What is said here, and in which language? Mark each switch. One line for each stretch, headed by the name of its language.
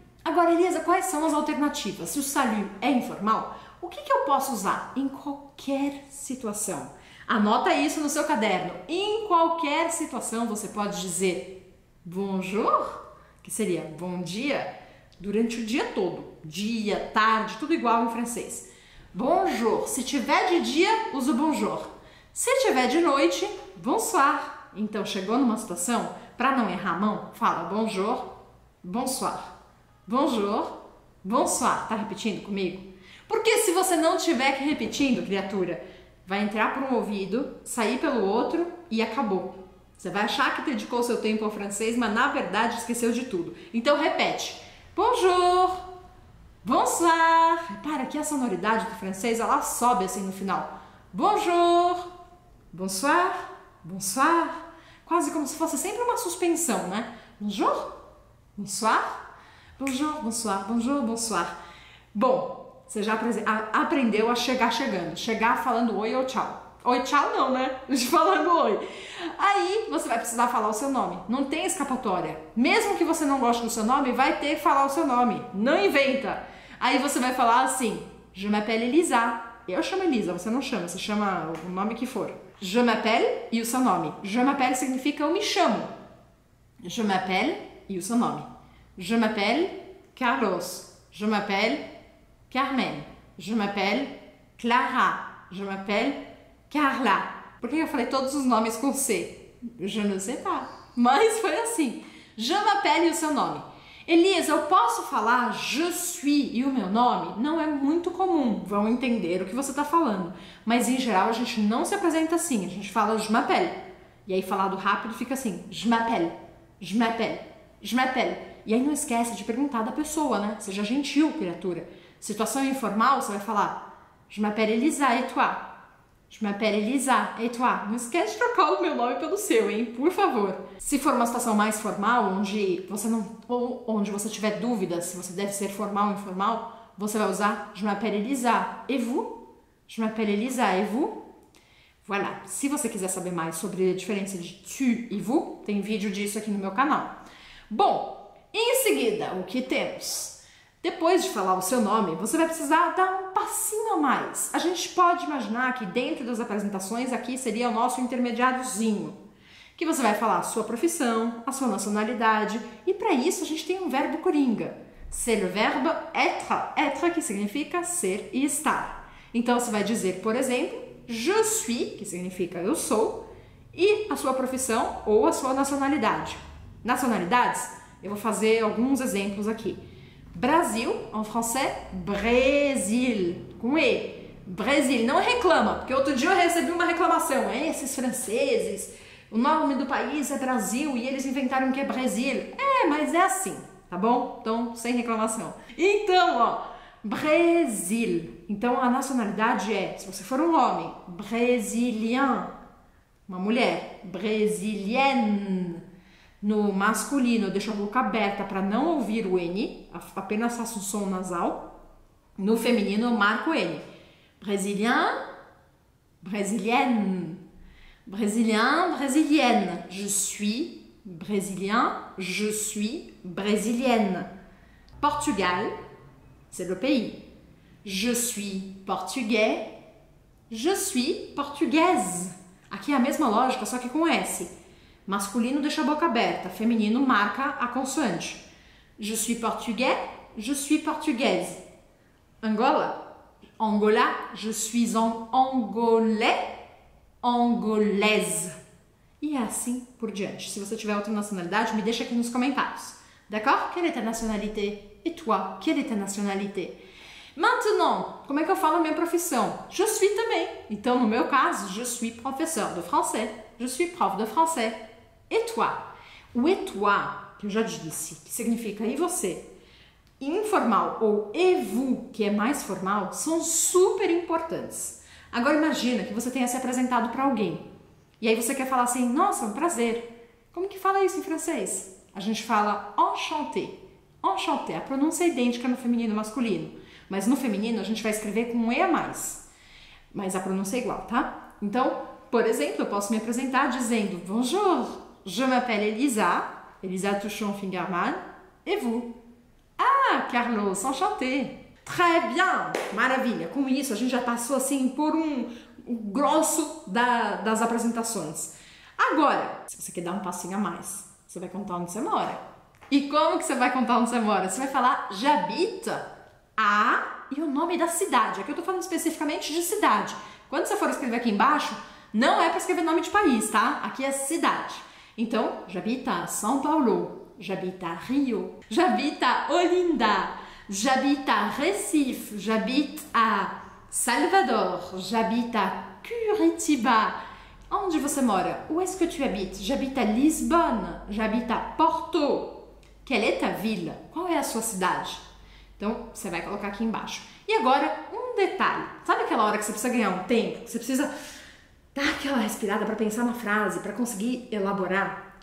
Portuguese: Agora, Elisa, quais são as alternativas? Se o salut é informal, o que que eu posso usar em qualquer situação? Anota isso no seu caderno. Em qualquer situação, você pode dizer bonjour, que seria bom dia, durante o dia todo, dia, tarde, tudo igual em francês. Bonjour, se tiver de dia, usa o bonjour. Se tiver de noite, bonsoir. Então, chegou numa situação, para não errar a mão, fala
French: bonjour, bonsoir. Bonjour, bonsoir.
Portuguese: Tá repetindo comigo? Porque se você não tiver repetindo, criatura, vai entrar por um ouvido, sair pelo outro e acabou. Você vai achar que dedicou seu tempo ao francês, mas na verdade esqueceu de tudo. Então, repete.
French: Bonjour, bonsoir.
Portuguese: Repara que a sonoridade do francês, ela sobe assim no final.
French: Bonjour, bonsoir, bonsoir.
Portuguese: Quase como se fosse sempre uma suspensão, né?
French: Bonjour, bonsoir, bonjour, bonsoir, bonjour, bonsoir.
Portuguese: Bom, você já aprendeu a chegar chegando. Chegar falando oi ou tchau. Oi, tchau não, né? Falando oi. Aí, você vai precisar falar o seu nome. Não tem escapatória. Mesmo que você não goste do seu nome, vai ter que falar o seu nome. Não inventa. Aí você vai falar assim.
French: Je m'appelle Elisa.
Portuguese: Eu chamo Elisa, você não chama. Você chama o nome que for.
French: Je m'appelle
Portuguese: e o seu nome.
French: Je m'appelle
Portuguese: significa eu me chamo.
French: Je m'appelle
Portuguese: e o seu nome.
French: Je m'appelle Carlos. Je m'appelle Carmen. Je m'appelle Clara. Je m'appelle Carla.
Portuguese: Por que eu falei todos os nomes com C?
French: Je ne sais pas.
Portuguese: Mas foi assim.
French: Je m'appelle
Portuguese: e o seu nome. Elias, eu posso falar
French: je suis
Portuguese: e o meu nome? Não é muito comum, vão entender o que você está falando. Mas em geral a gente não se apresenta assim, a gente fala
French: je m'appelle.
Portuguese: E aí falado rápido fica assim,
French: je m'appelle, je m'appelle, je m'appelle.
Portuguese: E aí não esquece de perguntar da pessoa, né? Seja gentil, criatura. Situação informal, você vai falar
French: je m'appelle Elisa et toi? Je m'appelle Elisa et toi?
Portuguese: Não esquece de trocar o meu nome pelo seu, hein? Por favor. Se for uma situação mais formal, onde você não, ou onde você tiver dúvidas se você deve ser formal ou informal, você vai usar
French: je m'appelle Elisa et vous? Je m'appelle Elisa et vous? Voilà.
Portuguese: Se você quiser saber mais sobre a diferença de tu e vous, tem vídeo disso aqui no meu canal. Bom, em seguida, o que temos? Depois de falar o seu nome, você vai precisar dar um passinho a mais. A gente pode imaginar que dentro das apresentações aqui seria o nosso intermediáriozinho, que você vai falar a sua profissão, a sua nacionalidade, e para isso a gente tem um verbo coringa.
French: C'est le verbe être, être
Portuguese: que significa ser e estar. Então você vai dizer, por exemplo,
French: je suis,
Portuguese: que significa eu sou, e a sua profissão ou a sua nacionalidade. Nacionalidades, eu vou fazer alguns exemplos aqui. Brasil,
French: en français,
Portuguese: Brésil, com E. Brésil, não reclama, porque outro dia eu recebi uma reclamação. Esses franceses, o nome do país é Brasil e eles inventaram que é Brésil. É, mas é assim, tá bom? Então, sem reclamação. Então, ó, Brésil. Então, a nacionalidade é, se você for um homem, brésilien. Uma mulher, brésilienne. No masculino, eu deixo a boca aberta para não ouvir o N, apenas faço um som nasal. No feminino, eu marco o N.
French: Brésilien, brésilienne. Brésilien, brésilienne. Je suis brésilien, je suis brésilienne. Portugal, c'est le pays. Je suis portugais, je suis portugaise.
Portuguese: Aqui é a mesma lógica, só que com S. Masculino deixa a boca aberta, feminino marca a consoante.
French: Je suis portugais, je suis portugaise. Angola, Angola, je suis en angolais, angolaise.
Portuguese: E é assim por diante. Se você tiver outra nacionalidade, me deixa aqui nos comentários.
French: D'accord? Quelle est ta nationalité? Et toi, quelle est ta nationalité?
Portuguese: Maintenant, como é que eu falo a minha profissão?
French: Je suis
Portuguese: também. Então, no meu caso,
French: je suis professeur de français. Je suis prof de français. Et toi?
Portuguese: O
French: et toi,
Portuguese: que eu já disse, que significa e você, informal, ou
French: et vous,
Portuguese: que é mais formal, são super importantes. Agora imagina que você tenha se apresentado para alguém. E aí você quer falar assim, nossa, um prazer. Como que fala isso em francês? A gente fala enchanté. Enchanté, a pronúncia é idêntica no feminino e masculino. Mas no feminino a gente vai escrever com um E a mais. Mas a pronúncia é igual, tá? Então, por exemplo, eu posso me apresentar dizendo, bonjour.
French: Je m'appelle Elisa, Elisa Touchon-Fingerman, et vous? Ah, Carlos, enchanté! Très bien!
Portuguese: Maravilha! Com isso, a gente já passou assim por um grosso das apresentações. Agora, se você quer dar um passinho a mais, você vai contar onde você mora. E como que você vai contar onde você mora? Você vai falar,
French: j'habite à,
Portuguese: e o nome da cidade. Aqui eu tô falando especificamente de cidade. Quando você for escrever aqui embaixo, não é para escrever nome de país, tá? Aqui é cidade.
French: Então, j'habite à São Paulo, j'habite à Rio, j'habite à Olinda, j'habite à Recife, j'habite à Salvador, j'habite à Curitiba.
Portuguese: Onde você mora?
French: Où est-ce que tu habites? J'habite à Lisbonne, j'habite à Porto. Quelle est ta ville?
Portuguese: Qual é a sua cidade? Então, você vai colocar aqui embaixo. E agora, um detalhe. Sabe aquela hora que você precisa ganhar um tempo? Você precisa dá aquela respirada para pensar na frase, para conseguir elaborar.